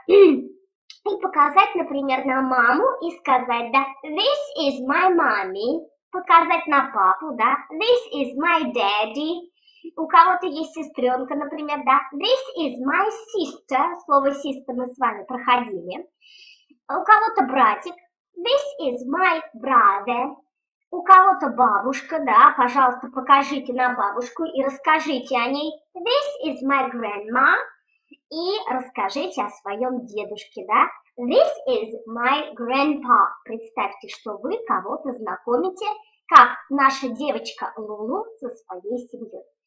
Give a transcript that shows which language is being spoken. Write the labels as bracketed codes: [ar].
[ru] И показать, например, на маму и сказать, да, [en] this is my mommy. [ru] Показать на папу, да, [en] this is my daddy. [ru] У кого-то есть сестренка, например, да, [en] this is my sister. [ru] Слово sister мы с вами проходили. У кого-то братик, [en] this is my brother. [ru] У кого-то бабушка, да, пожалуйста, покажите на бабушку и расскажите о ней. [en] This is my grandma. [ru] И расскажите о своем дедушке, да. [en] This is my grandpa. [ru] Представьте, что вы кого-то знакомите, как наша девочка Лулу со своей семьей.